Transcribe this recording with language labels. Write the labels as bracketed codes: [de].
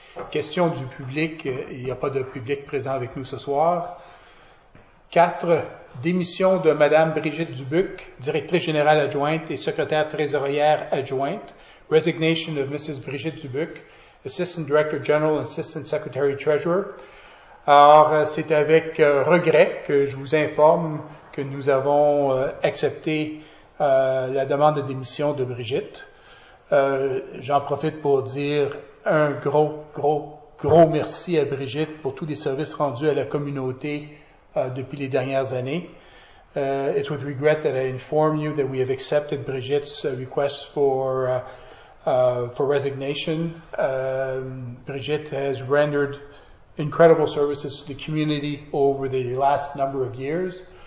[fr] Question du public, il n'y a pas de public présent avec nous ce soir. 4. Démission de Mme Brigitte Dubuc, directrice générale adjointe et secrétaire trésorière adjointe. [en] Resignation of Mrs. Brigitte Dubuc, Assistant Director General and Assistant Secretary Treasurer. [fr] Alors, c'est avec regret que je vous informe que nous avons accepté la demande de démission de Brigitte. J'en profite pour dire un gros, gros, gros merci à Brigitte pour tous les services rendus à la communauté depuis les dernières années. [en] It's with regret that I inform you that we have accepted Brigitte's request for resignation. Brigitte has rendered incredible services to the community over the last number of years.